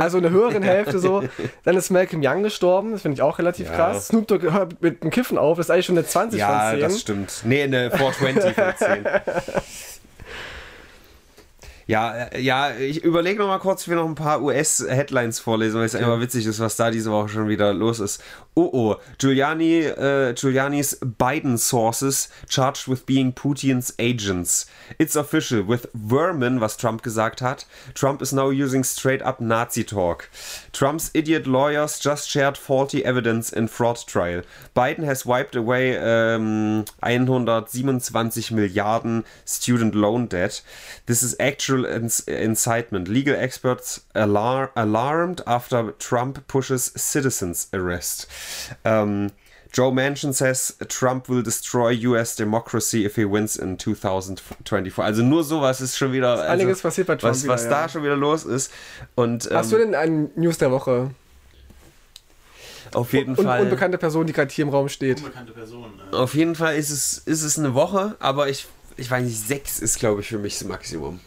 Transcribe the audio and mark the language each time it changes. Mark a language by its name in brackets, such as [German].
[German] Also in der höheren Hälfte so. Dann ist Malcolm Young gestorben, das finde ich auch relativ krass. Snoop Dogg hört mit dem Kiffen auf, das ist eigentlich schon eine 20 ja, von 10. Ja, das stimmt. Nee, eine 420 von 10. Ja, ich überlege noch mal kurz, wir noch ein paar US-Headlines vorlesen, weil es einfach witzig ist, was da diese Woche schon wieder los ist. [English] Oh, Giuliani's Biden sources charged with being Putin's agents. It's official with vermin, [German] was Trump gesagt hat. [English] Trump is now using straight up Nazi talk. Trump's idiot lawyers just shared faulty evidence in fraud trial. Biden has wiped away 127 Milliarden student loan debt. This is actual incitement. Legal experts alarmed after Trump pushes citizens arrest. Joe Manchin says Trump will destroy US democracy if he wins in 2024. [German] Also nur sowas ist schon wieder ist einiges also, passiert bei Trump was da schon wieder los ist. Und, hast du denn einen News der Woche? Auf jeden Fall. Unbekannte Person, die gerade hier im Raum steht. Unbekannte Person. Auf jeden Fall ist es eine Woche, aber ich weiß nicht, 6 ist glaube ich für mich das Maximum.